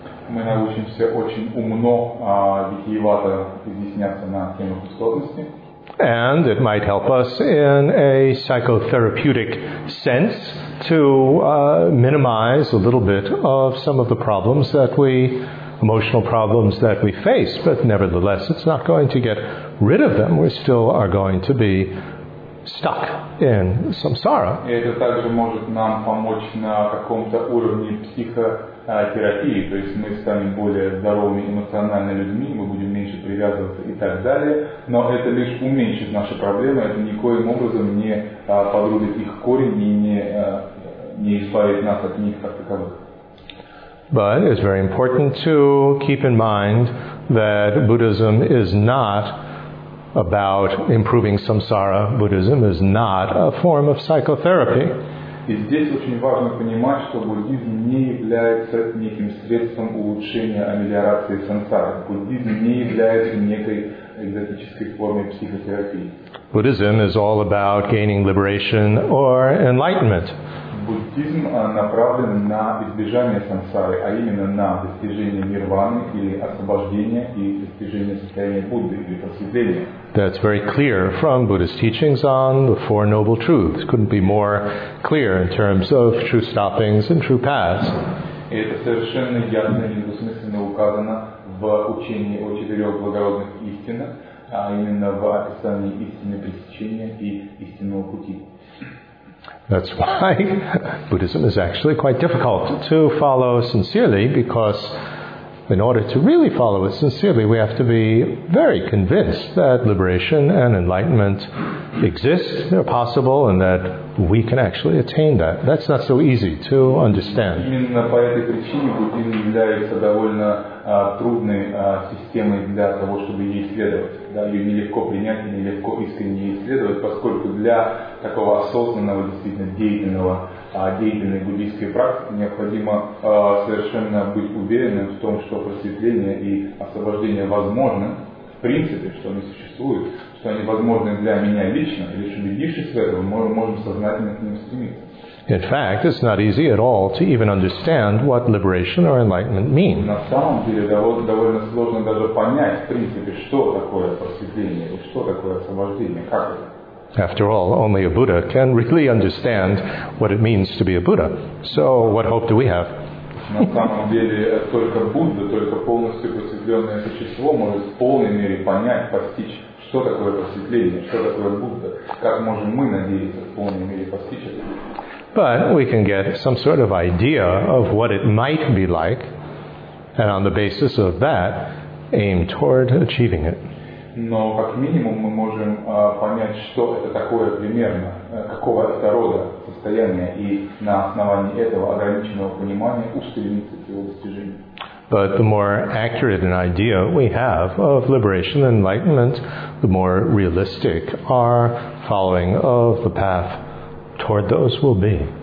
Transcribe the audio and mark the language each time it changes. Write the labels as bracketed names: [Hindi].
[Russian] Мы научимся очень умно, витиевато изъясняться на тему пустотности. [English] And it might help us in a psychotherapeutic sense to minimize a little bit of some of the problems that we, emotional problems that we face. But nevertheless, it's not going to get rid of them. We still are going to be stuck in samsara. [Russian] Это также может нам помочь на каком-то уровне психотерапии, то есть мы станем более здоровыми эмоциональными людьми, мы будем меньше привязываться и так далее, но это лишь уменьшит наши проблемы, это никоим образом не подрубит их корень и не не избавить нас от них как таковых. [English] But it's very important to keep in mind that Buddhism is not about improving samsara. Buddhism is not a form of psychotherapy. [Russian] И здесь очень важно понимать, что буддизм не является неким средством улучшения, амелиорации сансары. Буддизм не является некой экзотической формой психотерапии. [English] Buddhism is all about gaining liberation or enlightenment. [Russian] Буддизм направлен на избежание сансары, а именно на достижение нирваны или освобождение и достижение состояния Будды или просветления. [English] That's very clear from Buddhist teachings on the Four Noble Truths. Couldn't be more clear in terms of true stoppings and true paths. [Russian] Это совершенно ясно и недвусмысленно указано в учении о четырех благородных истинах, а именно в описании истины пресечения и истинного пути. [English] That's why Buddhism is actually quite difficult to follow sincerely, because in order to really follow it sincerely, we have to be very convinced that liberation and enlightenment exist, they're possible, and that we can actually attain that. That's not so easy to understand. [Russian] Именно по этой причине буддизм является довольно трудной системой для того, чтобы ее исследовать. Да, ее нелегко принять, нелегко искренне исследовать, поскольку для такого осознанного, действительно деятельной буддийской практики необходимо совершенно быть уверенным в том, что просветление и освобождение возможны, в принципе, что они существуют, что они возможны для меня лично, и лишь убедившись в этом, мы можем сознательно к ним стремиться. [English] In fact, it's not easy at all to even understand what liberation or enlightenment mean. [Russian] На самом деле, довольно сложно даже понять, в принципе, что такое просветление и что такое освобождение, как это. [English] After all, only a Buddha can really understand what it means to be a Buddha. So, what hope do we have? [Russian] На самом деле, только Будда, только полностью просветленное существо может в полной мере понять, постичь, что такое просветление, что такое Будда. Как можем мы надеяться в полной мере постичь это? [English] But we can get some sort of idea of what it might be like, and on the basis of that, aim toward achieving it. [Russian] Но как минимум мы можем понять, что это такое примерно, какого это рода состояние, и на основании этого ограниченного понимания устремиться к его достижению. [English] But the more accurate an idea we have of liberation and enlightenment, the more realistic our following of the path toward those will be.